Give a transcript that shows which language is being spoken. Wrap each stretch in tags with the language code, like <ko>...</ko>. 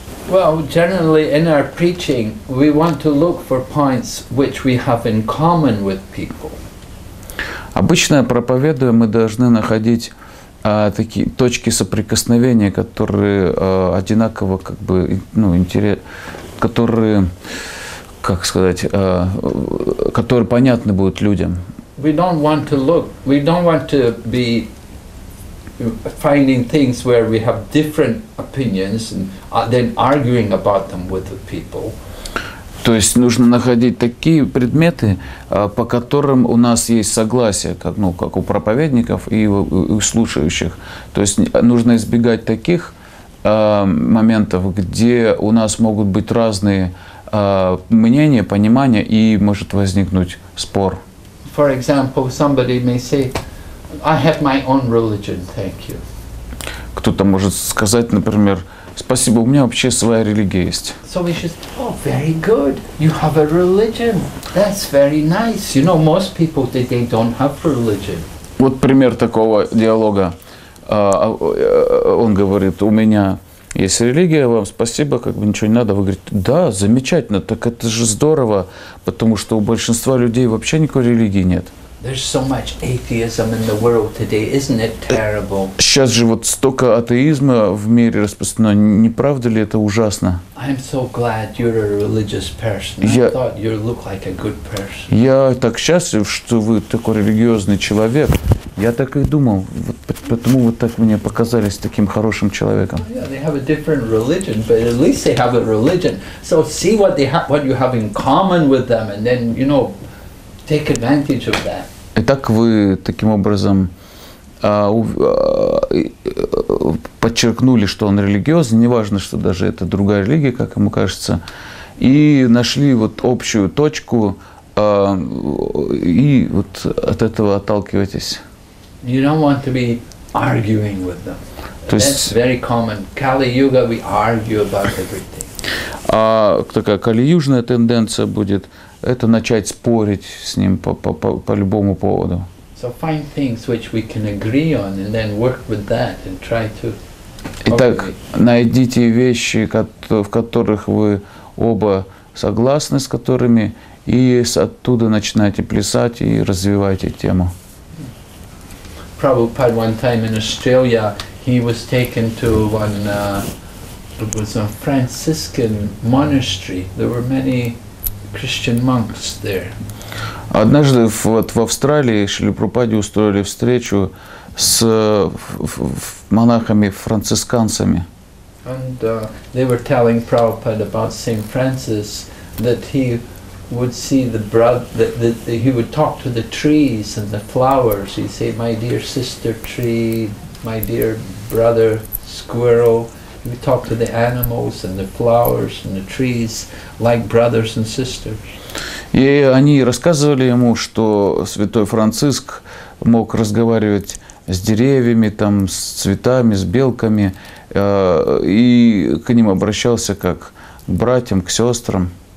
<en>Well, generally in our preaching, we want to look for points which we have in common with people.</en> <ru>Обычно проповедуя, мы должны находить такие точки соприкосновения, которые одинаково, как бы, ну, интерес, которые, как сказать, которые понятны будут людям.</ru> <en>We don't want to look. We don't want to be finding things where we have different opinions and then arguing about them with the people.</en> <ru>То есть нужно находить такие предметы, по которым у нас есть согласие, как, ну, как у проповедников и у слушающих. То есть нужно избегать таких моментов, где у нас могут быть разные мнения, понимания, и может возникнуть спор.</ru> <en>For example, somebody may say, I have my own religion, thank you.</en> <ru>Кто-то может сказать, например, спасибо, у меня вообще своя религия есть.</ru> <en>So we should say, oh, very good, you have a religion. That's very nice. You know, most people, they don't have religion.</en> <ru>Вот пример такого диалога. Он говорит, у меня есть религия, вам спасибо, как бы ничего не надо. Вы говорите, да, замечательно, так это же здорово, потому что у большинства людей вообще никакой религии нет.</ru> <en>There's so much atheism in the world today, isn't it terrible?</en> <ru>Сейчас же вот столько атеизма в мире распространено, не правда ли это ужасно?</ru> <en>I'm so glad you're a religious person. I thought you look like a good person.</en> <ru>Я так счастлив, что вы такой религиозный человек. Я так и думал, вот поэтому вы так мне показались таким хорошим человеком.</ru> <en>Yeah, they have a different religion, but at least they have a religion. So see what they have, what you have in common with them, and then, you know, take advantage of that.</en> <ru>Итак, вы таким образом подчеркнули, что он религиозный, неважно, что даже это другая религия, как ему кажется, и нашли вот общую точку, и вот от этого отталкиваетесь.</ru> <en>You don't want to be arguing with them.</en> <ru>То есть,</ru> <en>that's very common. Kali-yuga, we argue about everything.</en> <ru>А такая калиюжная тенденция будет это начать спорить с ним по любому поводу.</ru> <en>So find things which we can agree on and then work with that and try to.</en> <ru>Итак, найдите вещи, в которых вы оба согласны с которыми, и оттуда начинайте плясать и развивайте тему.</ru> <en>Prabhupada one time in Australia, he was taken to one it was a Franciscan monastery. There were many Christian monks there.</en> <ru>Однажды в Австралии Шрила Прабхупаде устроили встречу с монахами-францисканцами.</ru> <en>And they were telling Prabhupada about Saint Francis that he would see the he would talk to the trees and the flowers. He'd say, "My dear sister tree, my dear brother squirrel." He would talk to the animals and the flowers and the trees like brothers and sisters.</en> <ru>И они рассказывали ему, что святой Франциск мог разговаривать с деревьями, там, с цветами, с белками, и к ним обращался как к братьям, к сестрам.</ru>